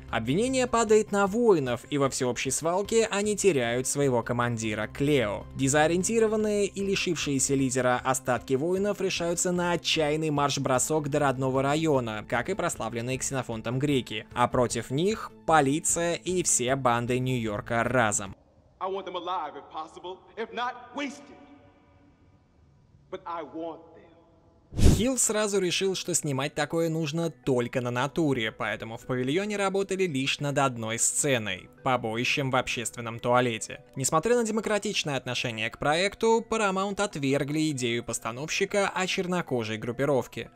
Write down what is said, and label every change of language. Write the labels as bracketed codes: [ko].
[ru] Обвинение падает на воинов, и во всеобщей свалке они теряют своего командира Клео. Дезориентированные и лишившиеся лидера остатки воинов решаются на отчаянный марш-бросок до родного района, как и прославленные ксенофонтом греки. А против них — полиция и все банды Нью-Йорка разом. [en] I want them alive, if possible, if not wasted. But I want them. [ru] Хилл сразу решил, что снимать такое нужно только на натуре, поэтому в павильоне работали лишь над одной сценой — побоищем в общественном туалете. Несмотря на демократичное отношение к проекту, Paramount отвергли идею постановщика о чернокожей группировке.